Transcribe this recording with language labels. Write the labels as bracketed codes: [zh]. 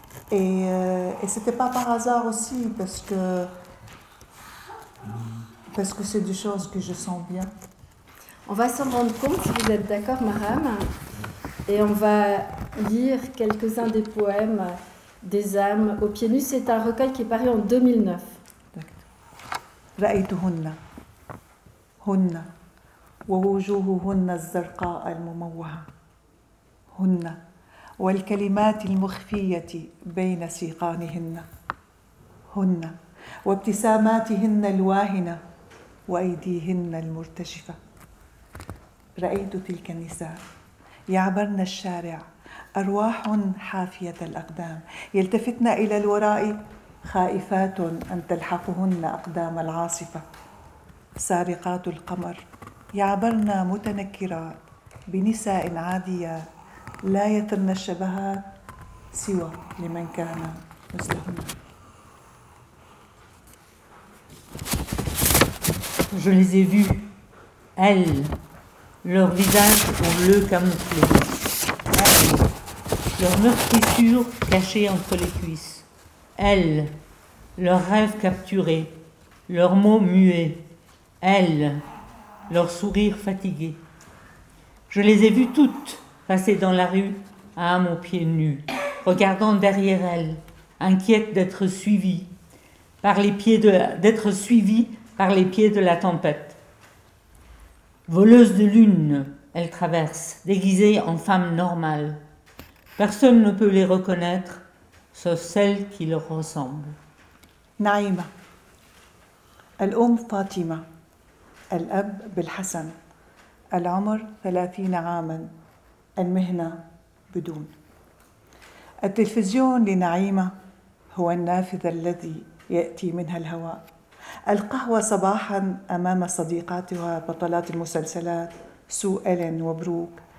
[fr] Et ce n'était pas par hasard aussi, parce que c'est des choses que je sens bien. On va s'en rendre compte, si vous êtes d'accord, Maram. Et on va lire quelques-uns des poèmes des âmes au pied nu. C'est un recueil qui est paru en 2009. [ar] رأيتهن هن ووجوههن الزرقاء المموهة هن والكلمات المخفية بين سيقانهن هن وابتساماتهن الواهنة وأيديهن المرتشفة رأيت تلك النساء يعبرن الشارع أرواح حافية الأقدام يلتفتن إلى الوراء خائفات أن تلحقهن أقدام العاصفة سارقات القمر يعبرن متنكرات بنساء عاديات لا يترن الشبهات سوى لمن كان مثلهن. [fr] Je les ai vues, elles, leurs visages sont bleus camouflés, elles, leurs meurtrissures cachées entre les cuisses, elles, leurs rêves capturés, leurs mots muets, elles, leurs sourires fatigués. Je les ai vues toutes passer dans la rue, âme aux pieds nus, regardant derrière elles, inquiètes d'être suivies par les pieds de la tempête. Voleuses de lune, elles traversent, déguisées en femmes normales. Personne ne peut les reconnaître, sauf celles qui leur ressemblent. [ar] نعيمة الأم فاطمة الأب بالحسن العمر 30 عاما المهنة بدون التلفزيون لنعيمة هو النافذة الذي يأتي منها الهواء القهوة صباحا أمام صديقاتها بطلات المسلسلات سو إلين وبروك